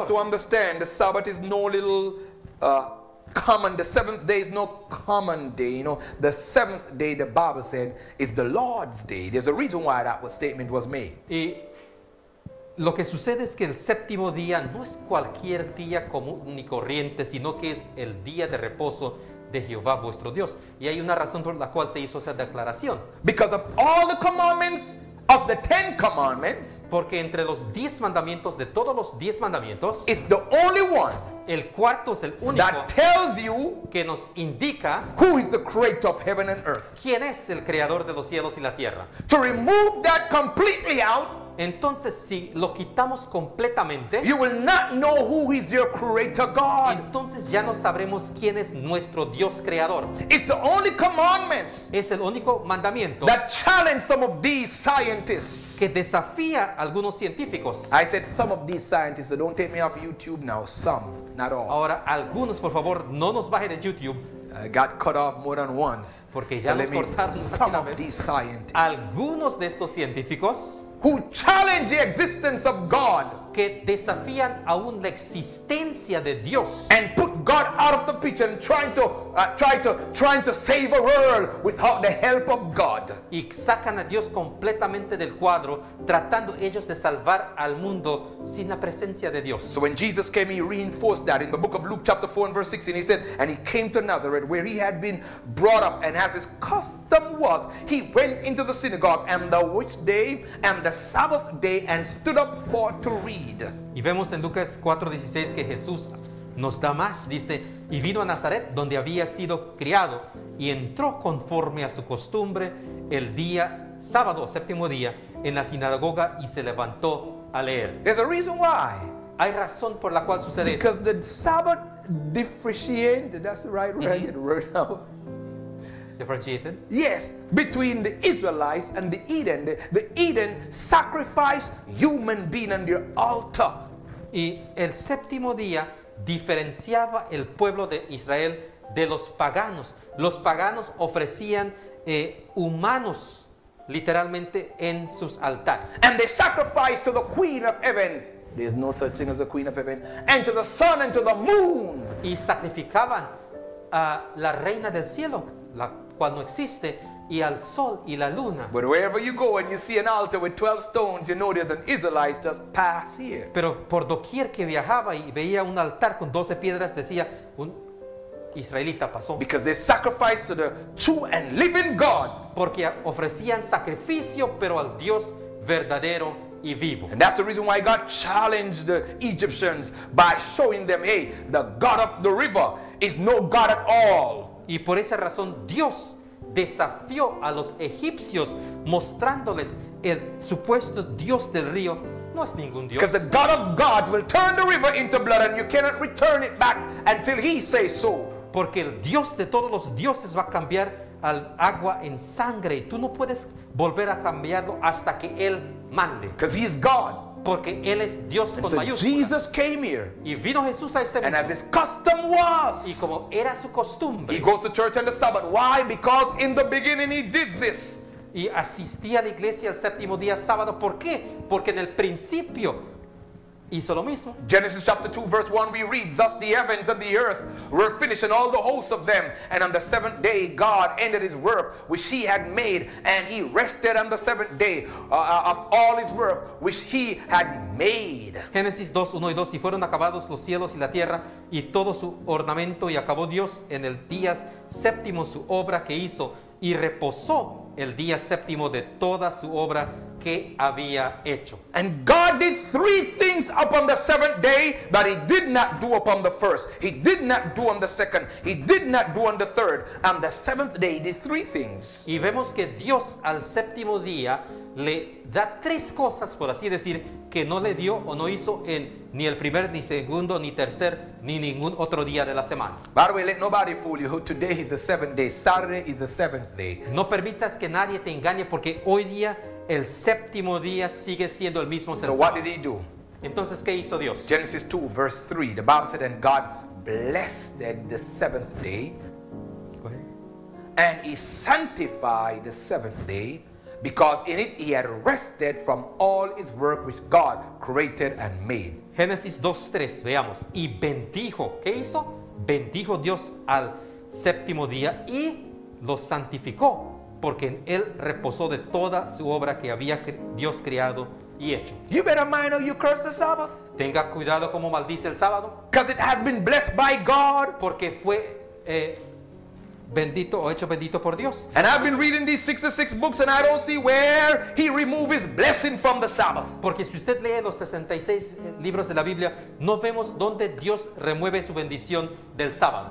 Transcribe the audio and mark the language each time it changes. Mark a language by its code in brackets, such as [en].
[en] You have to understand, the Sabbath is no little... common, the seventh day is no common day. You know, the seventh day, the Bible said, is the Lord's day. There's a reason why that statement was made. [es] Y lo que sucede es que el séptimo día no es cualquier día común ni corriente, sino que es el día de reposo de Jehová vuestro Dios. Y hay una razón por la cual se hizo esa declaración. [en] Because of all the commandments of the Ten Commandments. [es] Porque entre los 10 mandamientos, de todos los 10 mandamientos, [en] is the only one. [es] El cuarto es el único [en] that tells you [es] que nos indica [en] who is the creator of heaven and earth. [es] ¿Quién es el creador de los cielos y la tierra? [en] To remove that completely out, [es] entonces si lo quitamos completamente, [en] you will not know who is your creator God. [es] Entonces ya no sabremos quién es nuestro Dios creador. [en] It's the only commandment. [es] Es el único mandamiento [en] that challenge some of these scientists. [es] Que desafía a algunos científicos. [en] I said some of these scientists, so don't take me off YouTube now. Some, not all. [es] Ahora algunos, por favor, no nos baje de YouTube. [en] I got cut off more than once. [es] Porque ya nos cortaron más de una vez. [en] Some of these scientists. [es] Algunos de estos científicos [en] who challenge the existence of God. [es] Que desafían aún la existencia de Dios. [en] And put God out of the picture and trying to save a world without the help of God. [es] Y sacan a Dios completamente del cuadro, tratando ellos de salvar al mundo sin la presencia de Dios. [en] So when Jesus came, he reinforced that in the book of Luke chapter 4 and verse 16, he said, and he came to Nazareth where he had been brought up, and as his custom was, he went into the synagogue and the which day and the Sabbath day and stood up for to read. [es] Y vemos en Lucas 4:16 que Jesús nos da más, dice, y vino a Nazaret, donde había sido criado, y entró conforme a su costumbre el día sábado, séptimo día, en la sinagoga y se levantó a leer. [en] There's a reason why. [es] Hay razón por la cual sucede esto. [en] Because the Sabbath differentiated, that's the right word now. Differentiated? Yes, between the Israelites and the Eden. The Eden sacrificed human being on their altar. [es] Y el séptimo día diferenciaba el pueblo de Israel de los paganos. Los paganos ofrecían humanos literalmente en sus altares. [en] And they sacrificed to the Queen of Heaven. There is no such thing as the Queen of Heaven. And to the sun and to the moon. [es] Y sacrificaban a la reina del cielo, la cuando existe, y al sol y la luna. [en] But wherever you go and you see an altar with 12 stones, you know there's an Israelite just pass here. [es] Pero por doquier que viajaba y veía un altar con 12 piedras, decía, un israelita pasó. [en] Because they sacrificed to the true and living God. [es] Porque ofrecían sacrificio, pero al Dios verdadero y vivo. [en] And that's the reason why God challenged the Egyptians by showing them, hey, the God of the river is no God at all. [es] Y por esa razón Dios desafió a los egipcios mostrándoles el supuesto Dios del río no es ningún Dios. [en] Because the God of gods will turn the river into blood and you cannot return it back until he says so. [es] Porque el Dios de todos los dioses va a cambiar al agua en sangre y tú no puedes volver a cambiarlo hasta que él mande. [en] Because he is God. [es] Porque él es Dios con mayúsculas. [en] Jesus came here. [es] Y vino Jesús a este mundo. [en] And as his custom was. [es] Y como era su costumbre. [en] He goes to church on the Sabbath. Why? Because in the beginning he did this. [es] Y asistía a la iglesia el séptimo día sábado. ¿Por qué? Porque en el principio hizo lo mismo. [en] Genesis chapter 2 verse 1 we read, thus the heavens and the earth were finished and all the hosts of them, and on the seventh day God ended his work which he had made, and he rested on the seventh day of all his work which he had made. [es] Genesis 2, 1 y 2, y fueron acabados los cielos y la tierra y todo su ornamento, y acabó Dios en el día séptimo su obra que hizo, y reposó el día séptimo de toda su obra que había hecho. [en] And God did three things upon the seventh day that he did not do upon the first. He did not do on the second. He did not do on the third. On the seventh day he did three things. [es] Y vemos que Dios al séptimo día le da tres cosas, por así decir, que no le dio o no hizo en ni el primer, ni segundo, ni tercer, ni ningún otro día de la semana. [en] By the way, let nobody fool you. Today is the seventh day. Saturday is the seventh day. [es] No permitas que nadie te engañe, porque hoy día el séptimo día sigue siendo el mismo sábado. [en] So what did he do? [es] Entonces, ¿qué hizo Dios? [en] Genesis 2, verse 3. The Bible said, and God blessed the seventh day. Go ahead. And he sanctified the seventh day. Because in it he had rested from all his work which God created and made. [es] Génesis 2:3, veamos. Y bendijo, ¿qué hizo? Bendijo Dios al séptimo día y lo santificó, porque en él reposó de toda su obra que había Dios creado y hecho. [en] You better mind or you curse the Sabbath. [es] Tenga cuidado como maldice el sábado. [en] Because it has been blessed by God. [es] Porque fue bendito o hecho bendito por Dios. [en] And I've been reading these 66 books and I don't see where he removes his blessing from the Sabbath. [es] Porque si usted lee los 66 libros de la Biblia, no vemos donde Dios remueve su bendición del sábado.